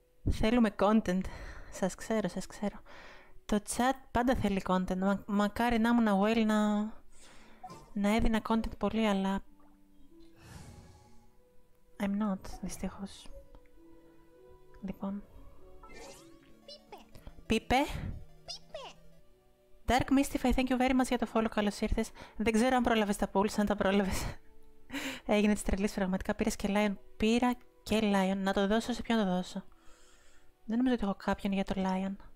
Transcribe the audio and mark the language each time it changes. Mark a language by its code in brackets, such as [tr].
[el] Θέλουμε content. Σας ξέρω, σας ξέρω. Το chat πάντα θέλει content. Μακάρι να ήμουν well να... να έδινα content πολύ, αλλά... [en] I'm not, [el] δυστυχώς. [en] Λοιπόν... [el] Πίπε! Dark Mystify, thank you very much για το follow, καλώς ήρθες. Δεν ξέρω αν πρόλαβες τα pools, αν τα πρόλαβες. Έγινε της τρελής, πραγματικά. Πήρες και Lion. Πήρα και Lion. Να το δώσω σε ποιον το δώσω. Δεν νομίζω ότι έχω κάποιον για το Lion.